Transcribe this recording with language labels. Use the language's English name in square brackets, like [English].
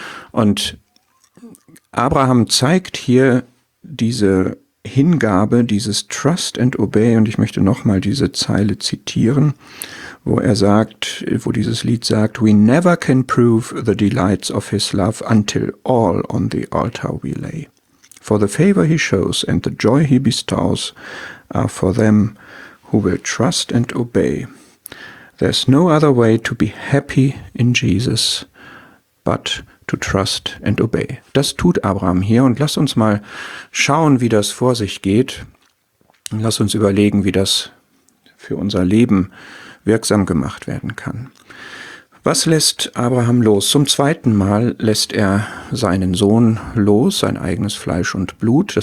[German] Und Abraham zeigt hier diese Hingabe, dieses Trust and Obey, und ich möchte nochmal diese Zeile zitieren, wo er sagt, wo dieses Lied sagt: [English] "We never can prove the delights of his love until all on the altar we lay. For the favor he shows and the joy he bestows are for them who will trust and obey. There's no other way to be happy in Jesus but to trust and obey." [German] Das tut Abraham hier, und lass uns mal schauen, wie das vor sich geht. Lass uns überlegen, wie das für unser Leben wirksam gemacht werden kann. Was lässt Abraham los? Zum zweiten Mal lässt er seinen Sohn los, sein eigenes Fleisch und Blut.